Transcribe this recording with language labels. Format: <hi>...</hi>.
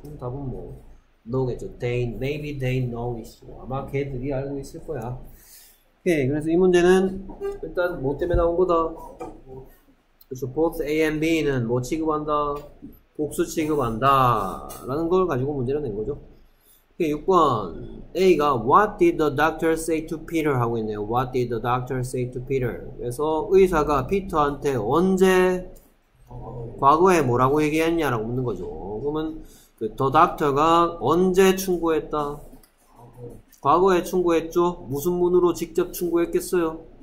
<ko>그럼 답은 뭐? No겠죠.</ko> <en>They, maybe they know</en> <ko>있어. 아마 걔들이 알고 있을 거야. 오케이, 그래서 이 문제는 일단 뭐 때문에 나온 거다? 그래서 both A and B는 뭐 취급한다? 복수 취급한다라는 걸 가지고 문제를 낸 거죠. 오케이, 6번 A가</ko> <en>What did the doctor say to Peter?</en> <ko>하고 있네요.</ko> <en>What did the doctor say to Peter?</en> <ko>그래서 의사가 피터한테 언제 과거에 뭐라고 얘기했냐라고 묻는 거죠. 그러면 그 the doctor가 언제 충고했다? 과거에 충고했죠? 무슨 문으로 직접 충고했겠어요?</ko>